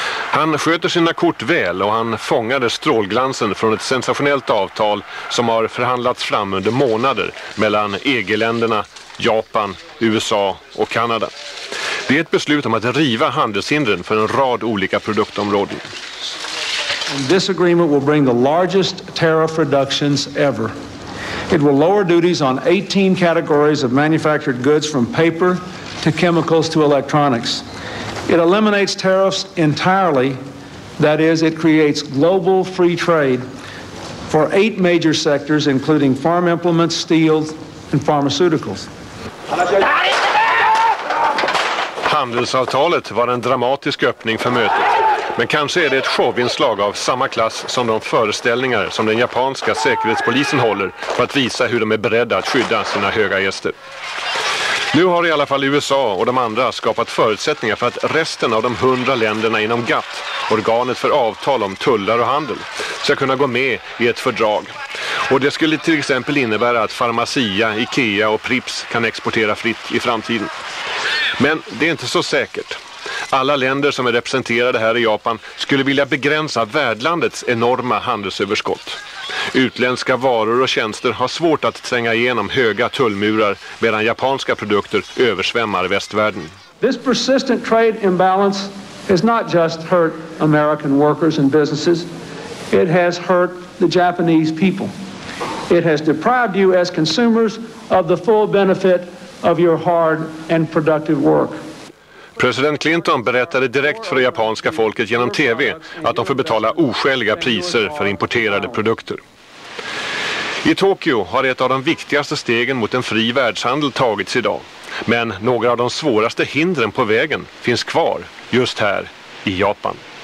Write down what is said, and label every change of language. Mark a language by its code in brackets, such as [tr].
[sv] Han sköter sina kort väl och han fångade strålglansen från ett sensationellt avtal som har förhandlats fram under månader mellan EG-länderna, Japan, USA och Kanada. Det är ett beslut om att riva handelshindren för en rad olika produktområden. [en] This agreement will bring the largest tariff reductions ever. It will lower duties on 18 categories of manufactured goods from paper to chemicals to electronics. It eliminates tariffs entirely, that is, it creates global free trade for 8 major sectors, including farm implements, steel, and pharmaceuticals. [sv] Handelsavtalet var en dramatisk öppning för mötet. Men kanske är det ett showinslag av samma klass som de föreställningar som den japanska säkerhetspolisen håller för att visa hur de är beredda att skydda sina höga gäster. Nu har i alla fall USA och de andra skapat förutsättningar för att resten av de 100 länderna inom GATT, organet för avtal om tullar och handel, ska kunna gå med i ett fördrag. Och det skulle till exempel innebära att Pharmacia, IKEA och Prips kan exportera fritt i framtiden. Men det är inte så säkert. Alla länder som är representerade här i Japan skulle vilja begränsa värdlandets enorma handelsöverskott. Utländska varor och tjänster har svårt att tränga igenom höga tullmurar medan japanska produkter översvämmar västvärlden. [en] This persistent trade imbalance has not just hurt American workers and businesses. It has hurt the Japanese people. It has deprived you as consumers of the full benefit of your hard and productive work. [sv] President Clinton berättade direkt för det japanska folket genom TV att de får betala oskäliga priser för importerade produkter. I Tokyo har ett av de viktigaste stegen mot en fri världshandel tagits idag. Men några av de svåraste hindren på vägen finns kvar just här i Japan.